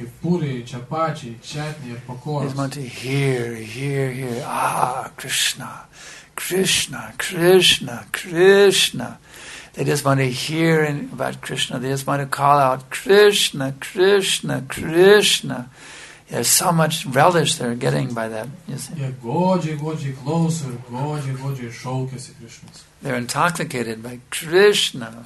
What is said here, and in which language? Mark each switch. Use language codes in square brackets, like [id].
[en] He's going to hear. Ah, Krishna, Krishna, Krishna, Krishna. They just want to hear about Krishna. They just want to call out, Krishna, Krishna, Krishna. There's so much relish they're getting by that, you see. [lt] Yeah, godžiai klauso, godžiai šaukiasi Krishnas. [en] They're intoxicated by Krishna.